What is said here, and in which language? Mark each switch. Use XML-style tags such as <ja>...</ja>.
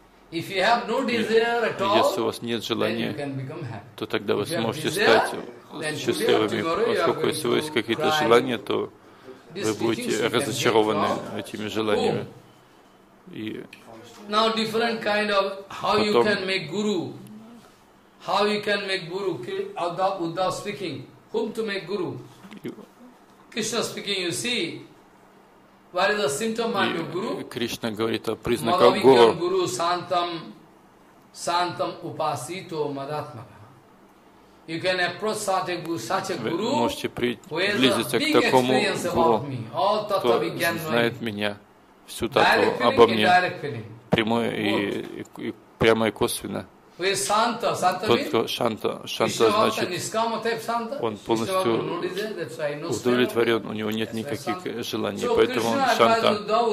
<ru>Если у вас нет желания, то тогда вы сможете стать счастливыми. Поскольку если у вас есть какие-то желания, то вы будете разочарованы этими желаниями.</ru> <en>Now different kind of how you can make guru, how you can make guru. Uddhava speaking. whom to make guru. Krishna speaking, you see, what is the symptom of your guru?</en> <ru>Krishna говорит о признаках гуру. Малавикьян</ru> <sa>гуру сантам, сантам упасито мадатмага.</sa> <en>You can approach such a guru, who has a big experience about me, all tattva vigyan knowing.</en> <ru>Меня, всю татву обо мне, прямое и прямо и косвенно. Тот, кто шанта, шанта значит, он полностью удовлетворен, у него нет никаких желаний, поэтому он шанта.</ru>